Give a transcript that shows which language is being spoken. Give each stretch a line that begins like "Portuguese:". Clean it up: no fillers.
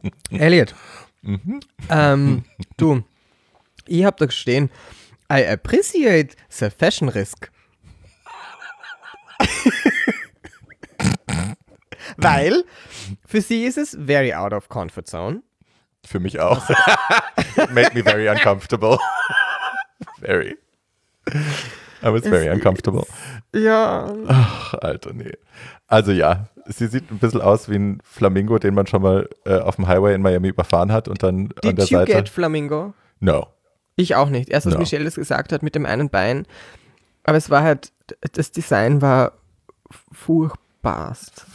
German: Elliot, du, ich hab da gestehen,
English: I appreciate the fashion risk.
German: Weil für sie ist es
English: very out of comfort zone.
German: Für mich auch.
English: It made me very uncomfortable. Very. I was very uncomfortable.
German: Ja. Ach, Alter, nee. Also ja, sie sieht ein bisschen aus wie ein Flamingo, den man schon mal auf dem Highway in Miami überfahren hat und dann
English: did
German: an der Seite.
English: Did you get Flamingo? No.
German: Ich auch nicht. Erst, was Michelle das gesagt hat mit dem einen Bein. Aber es war halt, das Design war furchtbarst.